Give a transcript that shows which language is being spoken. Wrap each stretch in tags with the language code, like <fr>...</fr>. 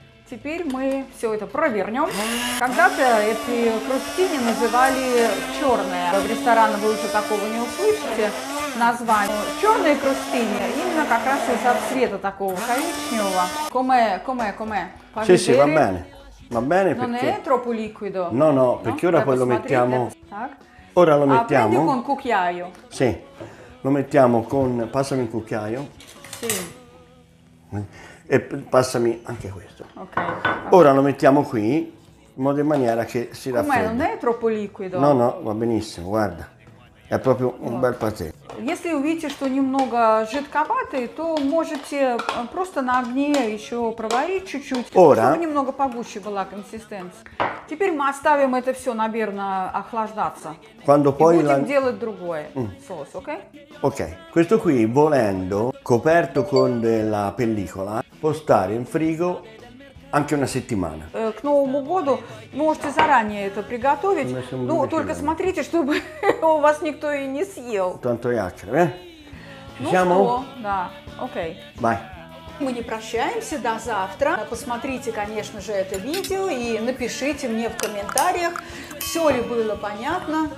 <ru>Теперь мы все это провернем. Когда-то эти крустини называли черные. В ресторанах вы уже такого не услышите название. Черные крустини именно как раз из-за цвета такого коричневого.</ru> <it>Come? Sì, sì, va bene. Va bene perché... Non è troppo liquido. No, no, perché ora poi lo mettiamo...</it> <ru>Так.</ru> <it>Ora lo mettiamo. Prendi con cucchiaio. Sì. Lo mettiamo con. Passami un cucchiaio. Sì. E passami anche questo.</it> <en>Okay.</en> <it>Ora lo mettiamo qui in modo in maniera che si raffreddi. Ma non è troppo liquido. No, no, va benissimo, guarda. È proprio un bel patè.</it> <ru>Если увидите, что немного жидковатый, то можете просто на огне еще проварить чуть-чуть,</ru> <it>Ora.</it> <ru>Чтобы немного погуще была консистенция. Теперь мы оставим это все, наверное, охлаждаться.</ru> <it>Quando</it> <ru>и</ru> <it>poi</it> <ru>будем</ru> <it>la...</it> <ru>делать другое. Соус, окей? Окей.</ru> <it>Questo qui, volendo, coperto con della pellicola, può stare in frigo anche una settimana.</it> <ru>К Новому году можете заранее это приготовить. Ну, только смотрите, чтобы у вас никто и не съел.</ru> <it>Tanto chiacchiere, eh? Siamo?</it> <ru>Ну, да. Окей.</ru> <en>Bye.</en> <ru>Мы не прощаемся, до завтра. Посмотрите, конечно же, это видео и напишите мне в комментариях, все ли было понятно.</ru>